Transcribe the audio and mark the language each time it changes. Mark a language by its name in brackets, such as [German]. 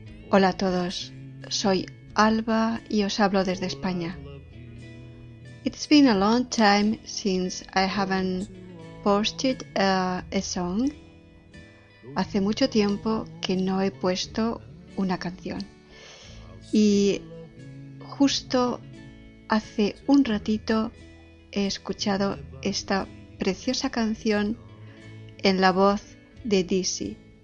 [Spanish] Hola a todos, soy Alba y os hablo desde España. [English] It's been a long time since I haven't posted a song. [Spanish] Hace mucho tiempo que no he puesto una canción. Y justo hace un ratito he escuchado esta preciosa canción en la voz de Dizzy.